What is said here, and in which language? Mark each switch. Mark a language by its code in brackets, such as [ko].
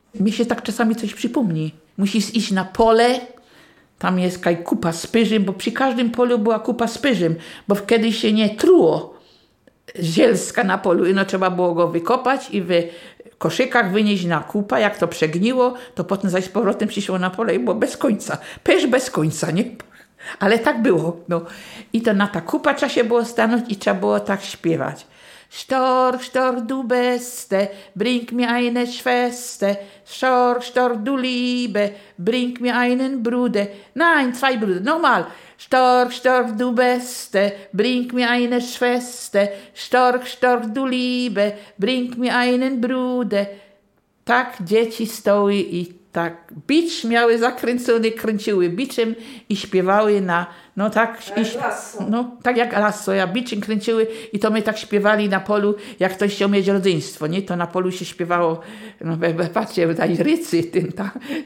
[pl] Mi się tak czasami coś przypomni. Musisz iść na pole, tam jest kaj kupa z pyżym, bo przy każdym polu była kupa z pyżym, bo wtedy się nie truło zielska na polu, no trzeba było go wykopać i w koszykach wynieść na kupa. Jak to przegniło, to potem zaś z powrotem przyszło na pole i było bez końca. Pyż bez końca, nie? Ale tak było. No. I to na ta kupa trzeba się było stanąć i trzeba było tak śpiewać. [de] Stor, stor, du beste, bring mir eine Schwester. Stor, stor, du liebe, bring mir einen Bruder. Nein, zwei Brüder, nochmal. Stor, stor, du beste, bring mir eine Schwester. Stor, stor, du liebe, bring mir einen Bruder. [pl] Tak dzieci stoły i tak bicz miały zakręcony, kręciły biczem i śpiewały na, no tak, tak jak lasso, ja biczem kręciły i to my tak śpiewali na polu, jak ktoś chciał mieć rodzeństwo, nie, to na polu się śpiewało, no patrzcie, tutaj rycy, tym, tak.